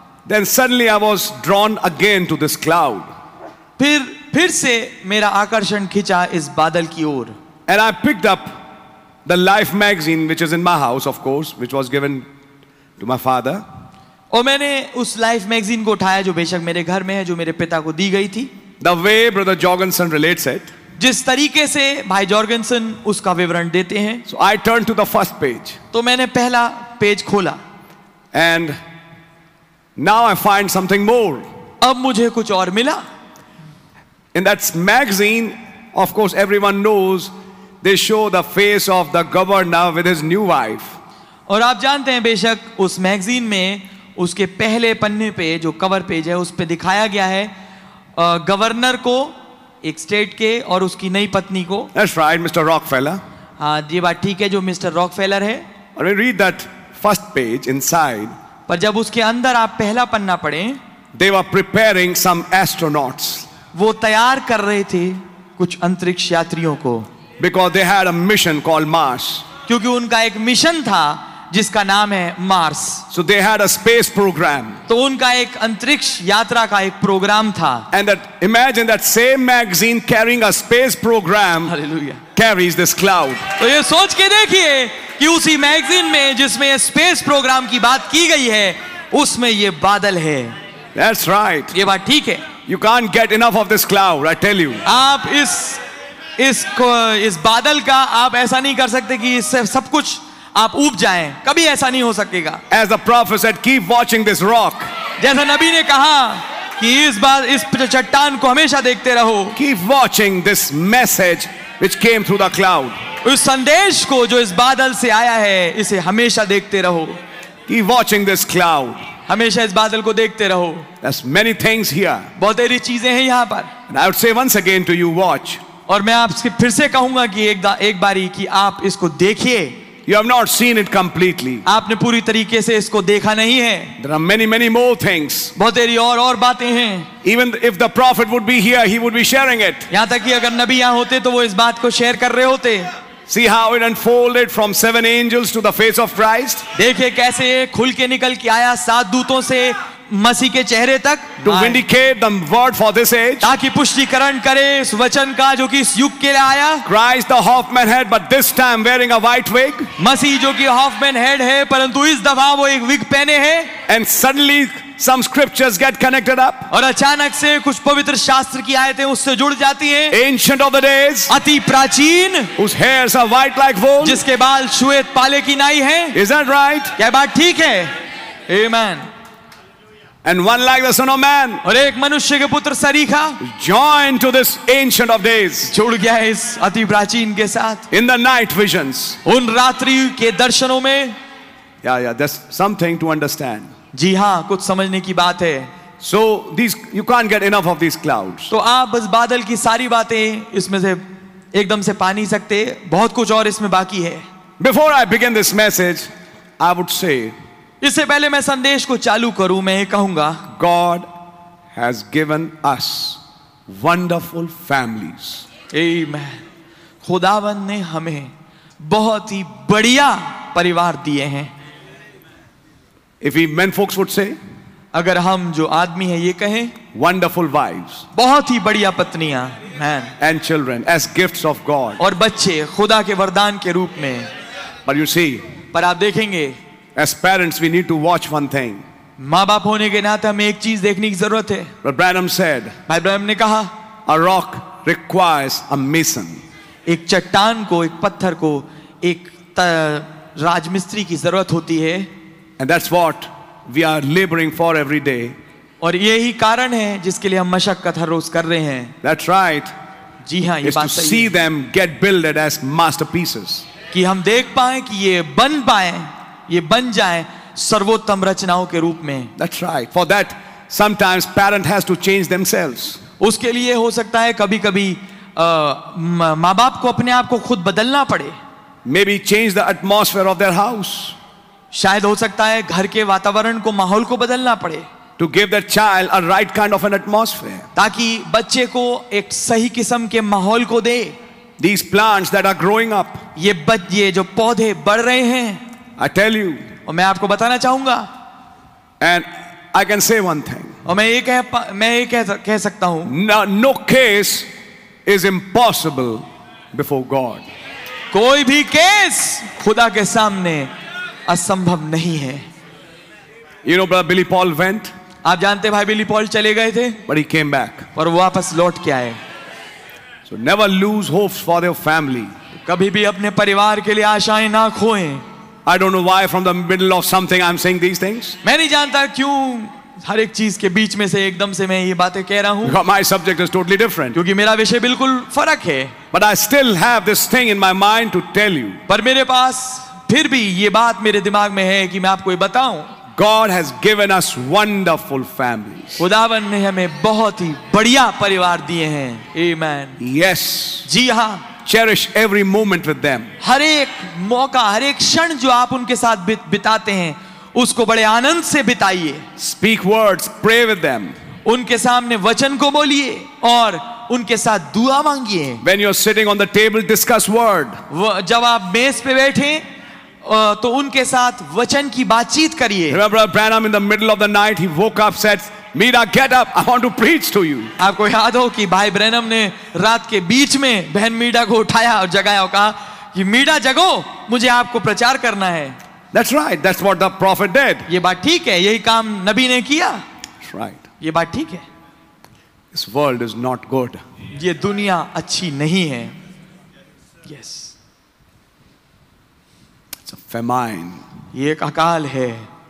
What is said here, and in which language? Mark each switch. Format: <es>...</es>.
<en>Then suddenly I was drawn again to this cloud.</en> <hi>फिर से मेरा आकर्षण खींचा इस बादल की ओर.</hi> <en>And I picked up the Life magazine, which is in my house, of course, which was given to my father.</en> <hi>और मैंने उस लाइफ मैगजीन को उठाया जो बेशक मेरे घर में है जो मेरे पिता को दी गई थी.</hi> <en>The way Brother Jorgensen relates it.</en> <hi>जिस तरीके से भाई जॉर्गेंसन उसका विवरण देते हैं.</hi> <en>So I turned to the first page.</en> <hi>तो मैंने पहला पेज खोला.</hi> <en>And now I find something more.</en> <hi>अब मुझे कुछ और मिला.</hi> <en>In that magazine, of course, everyone knows they show the face of the governor with his new wife.</en> <hi>और आप जानते हैं बेशक उस मैगजीन में उसके पहले पन्ने पे जो कवर पेज है उस पे दिखाया गया है गवर्नर को एक स्टेट के और उसकी नई पत्नी को.</hi> <en>That's right, Mr. Rockefeller.</en> <hi>हाँ जी बात ठीक है जो मिस्टर रॉकफेलर है.</hi> <en>And we read that first page inside.</en> <hi>पर जब उसके अंदर आप पहला पन्ना पढ़ें,</hi> <en>they were preparing some astronauts.</en> <hi>वो तैयार कर रहे थे कुछ अंतरिक्ष यात्रियों को.</hi> <en>Because they had a mission called Mars.</en> <hi>क्योंकि उनका एक मिशन था जिसका नाम है Mars.</hi> <en>So they had a space program.</en> <hi>तो उनका एक अंतरिक्ष यात्रा का एक प्रोग्राम था.</hi> <en>And that, imagine that same magazine carrying a space program. Hallelujah. Carries this cloud.</en> <hi>तो ये सोच के देखिए कि उसी मैगजीन में जिसमें स्पेस प्रोग्राम की बात की गई है उसमें ये बादल है.</hi> <en>That's right.</en> <hi>ये बात ठीक है.</hi> <en>You can't get enough of this cloud, I tell you.</en> <hi>आप इस बादल का आप ऐसा नहीं कर सकते कि इससे सब कुछ आप उब जाएं. कभी ऐसा नहीं हो सकेगा.</hi> <en>As the prophet said, keep watching this rock.</en> <hi>जैसा नबी ने कहा कि इस बार इस चट्टान को हमेशा देखते रहो.</hi> <en>Keep watching this message which came through the cloud.</en> <hi>उस संदेश को जो इस बादल से आया है इसे हमेशा देखते रहो.</hi> <en>Keep watching this cloud.</en> <hi>हमेशा इस बादल को देखते रहो.</hi> <en>There's many things here.</en> <hi>बहुत सारी चीजें हैं यहाँ पर.</hi> <en>And I would say once again to you, watch.</en> <hi>और मैं आपसे फिर से कहूंगा कि एक बारी कि आप इसको देखिए.</hi> <en>You have not seen it completely.</en> <hi>आपने पूरी तरीके से इसको देखा नहीं है.</hi> <en>There are many, many more things.</en> <hi>बहुत सारी और बातें हैं.</hi> <en>Even if the prophet would be here, he would be sharing it.</en> <hi>यहाँ तक कि अगर नबी यहाँ होते तो वो इस बात को शेयर कर रहे होते.</hi> <en>See how it unfolded from seven angels to the face of Christ.</en> <hi>देखिए कैसे खुल के निकल के आया सात दूतों से मसीह के चेहरे तक.</hi> <en>To vindicate the word for this age.</en> <hi>ताकि पुष्टिकरण करे इस वचन का जो कि इस युग के लिए आया.</hi> <en>Christ the Hoffman head, but this time wearing a white wig.</en> <hi>मसीह जो कि Hoffman head है परंतु इस दफा वो एक विग पहने है.</hi> <en>And suddenly some scriptures get connected up.</en> <hi>और अचानक से कुछ पवित्र शास्त्र की आयतें उससे जुड़ जाती हैं.</hi> <en>Ancient of the days.</en> <hi>अति प्राचीन.</hi> <en>Whose hairs are white like wool.</en> <hi>जिसके बाल श्वेत पाले की नाई है.</hi> <en>Is that right?</en> <hi>क्या बात ठीक है? Amen.</hi> <en>And one like the Son of Man.</en> <hi>और एक मनुष्य के पुत्र सरीखा.</hi> <en>Joined to this Ancient of days.</en> <hi>जुड़ गया इस अति प्राचीन के साथ.</hi> <en>In the night visions.</en> <hi>उन रात्रि के दर्शनों में.</hi> <en>Yeah, that's something to understand.</en> <hi>जी हाँ कुछ समझने की बात है.</hi> <en>So these you can't get enough of these clouds.</en> <hi>तो आप बस बादल की सारी बातें इसमें से एकदम से पा नहीं सकते. बहुत कुछ और इसमें बाकी है.</hi> <en>Before I begin this message, I would say.</en> <hi>इससे पहले मैं संदेश को चालू करूं मैं ये कहूंगा.</hi> <en>God has given us wonderful families. Amen.</en> <hi>खुदावन ने हमें बहुत ही बढ़िया परिवार दिए हैं.</hi> <en>If we men folks would say,</en> <hi>अगर हम जो आदमी है ये कहें,</hi> <en>wonderful wives,</en> <hi>बहुत ही बढ़िया पत्नियां,</hi> <en>man, and children as gifts of God,</en> <hi>और बच्चे खुदा के वरदान के रूप में,</hi> <en>but you see,</en> <hi>पर आप देखेंगे,</hi> <en>as parents we need to watch one thing,</en> <hi>माँ बाप होने के नाते हमें एक चीज देखने की जरूरत है,</hi> <en>but Branham said,</en> <hi>भाई ब्रैनम ने कहा,</hi> <en>a rock requires a mason,</en> <hi>एक चट्टान को, एक पत्थर को, एक राजमिस्त्री की जरूरत होती है.</hi> <en>And that's what we are laboring for every day.</en> <hi>और यही कारण है जिसके लिए हम मशक्कत हर रोज कर रहे हैं.</hi> <en>That's right.</en> <hi>जी हाँ ये बात सही है.</hi> <en>To see them get builded as masterpieces.</en> <hi>कि हम देख पाएं कि ये बन पाएं, ये बन जाएं सर्वोत्तम रचनाओं के रूप में.</hi> <en>That's right. For that, sometimes parent has to change themselves.</en> <hi>उसके लिए हो सकता है कभी-कभी माँ-बाप को अपने आप को खुद बदलना पड़े.</hi> <en>Maybe change the atmosphere of their house.</en> <hi>शायद हो सकता है घर के वातावरण को माहौल को बदलना पड़े.</hi> <en>To give that child a right kind of an atmosphere.</en> <hi>ताकि बच्चे को एक सही किस्म के माहौल को दे.</hi> <en>These plants that are growing up.</en> <hi>ये जो पौधे बढ़ रहे हैं.</hi> <en>I tell you.</en> <hi>और मैं आपको बताना चाहूँगा.</hi> <en>And I can say one thing.</en> <hi>और मैं ये कह सकता हूँ.</hi> <en>No case is impossible before God.</en> <hi>कोई भी केस खुदा के सामने असंभव नहीं है.</hi> <en>You know, brother Billy Paul went.</en> <hi>आप जानते हैं भाई बिली पॉल चले गए थे.</hi> <en>But he came back.</en> <hi>पर वापस लौट के आए.</hi> <en>So never lose hopes for your family.</en> <hi>कभी भी अपने परिवार के लिए आशाएं ना खोएं.</hi> <en>I don't know why from the middle of something I'm saying these things.</en> <hi>मैं नहीं जानता क्यों हर एक चीज के बीच में से एकदम से मैं ये बातें कह रहा हूँ.</hi> <en>My subject is totally different.</en> <hi>क्योंकि मेरा विषय बिल्कुल फर्क है.</hi> <en>But I still have this thing in my mind to tell you.</en> <hi>पर मेरे पास फिर भी ये बात मेरे दिमाग में है कि मैं आपको ये बताऊं.</hi> <en>God has given us wonderful families.</en> <hi>खुदावन ने हमें बहुत ही बढ़िया परिवार दिए हैं.</hi> <en>Amen. Yes.</en> <hi>जी हाँ.</hi> <en>Cherish every moment with them.</en> <hi>हर एक मौका, हर एक क्षण जो आप उनके साथ बिताते हैं उसको बड़े आनंद से बिताइए.</hi> <en>Speak words, pray with them.</en> <hi>उनके सामने वचन को बोलिए और उनके साथ दुआ मांगिए.</hi> <en>When you're sitting on the table, discuss word.</en> <hi>जब आप मेज पे बैठे तो उनके साथ वचन की बातचीत करिए.</hi> <en>Remember Branham in the middle of the night, he woke up, said, Meera, get up, I want to preach to you.</en> <hi>आपको याद हो कि भाई ब्रैनम ने रात के बीच में बहन मीरा को उठाया और जगाया और कहा कि मीरा जगो, मुझे आपको प्रचार करना है.</hi> <en>That's right. That's what the prophet did.</en> <hi>ये बात ठीक है. यही काम नबी ने किया.</hi> <en>That's right.</en> <hi>ये बात ठीक है.</hi> <en>This world is not good.</en> <hi>ये दुनिया अच्छी नहीं है.</hi> <en>Yes. It's a famine.</en> <hi>ये एक अकाल है.</hi>